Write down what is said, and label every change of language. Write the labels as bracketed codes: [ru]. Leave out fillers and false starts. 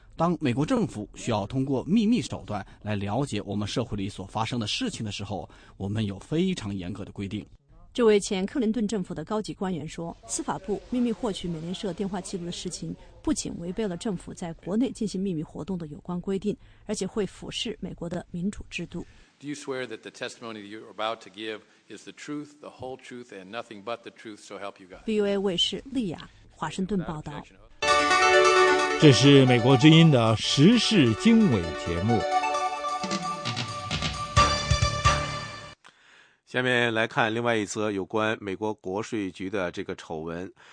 [zh] 当美国政府需要通过秘密手段来了解我们社会里所发生的事情的时候，我们有非常严格的规定。这位前克林顿政府的高级官员说，司法部秘密获取美联社电话记录的事情不仅违背了政府在国内进行秘密活动的有关规定，而且会腐蚀美国的民主制度。 [en] Do you swear that the testimony that you're about to give is the truth, the whole truth, and nothing but the truth, so help you God? [zh] VOA 卫视利亚华盛顿报道。这是美国之音的时事经纬节目。下面来看另外一则有关美国国税局的这个丑闻。